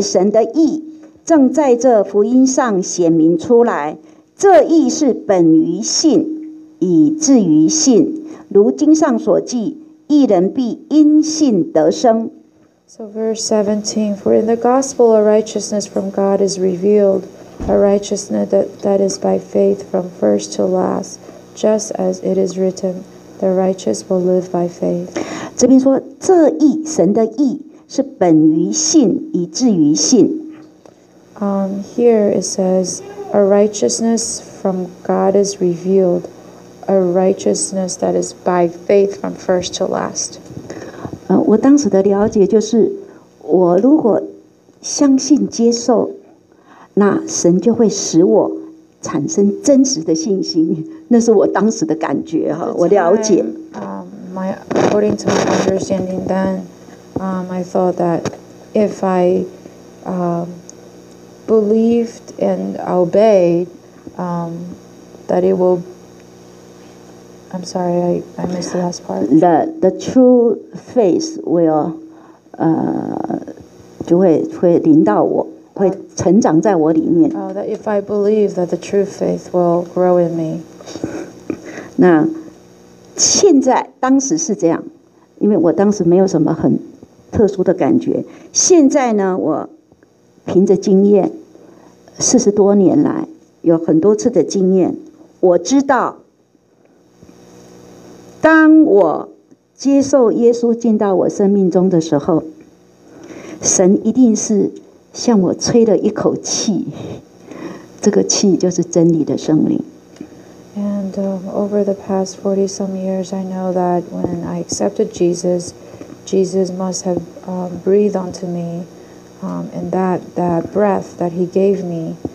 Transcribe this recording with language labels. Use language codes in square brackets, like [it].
[zh] 神的义正在这福音上显明出来，这义是本于信，以至于信。如经上所记，义人必因信得生。 [en] So verse 17, for in the gospel a righteousness from God is revealed, a righteousness that is by faith from first to last, just as it is written, the righteous will live by faith. [zh] 这边说这义，神的义是本于信，以至于信。 [en] Here it says, a righteousness from God is revealed, a righteousness that is by faith from first to last. [zh] 我当时的了解就是，我如果相信接受，那神就会使我产生真实的信心。那是我当时的感觉哈，我了解。 [en] According to my understanding, then, I thought that if I, believed and obeyed, that it will. I'm sorry, I missed the last part. The true faith will, [zh] 就会临到我，会成长在我里面。 [en] That if I believe, that the true faith will grow in me. [zh] 那现在当时是这样，因为我当时没有什么很特殊的感觉。现在呢，我凭着经验。四十多年来，有很多次的经验，我知道，当我接受耶稣进到我生命中的时候，神一定是向我吹了一口气，这个气就是真理的圣灵。 [en] And over the past 40 some years, I know that when I accepted Jesus, Jesus must have breathed onto me. And that breath that he gave me,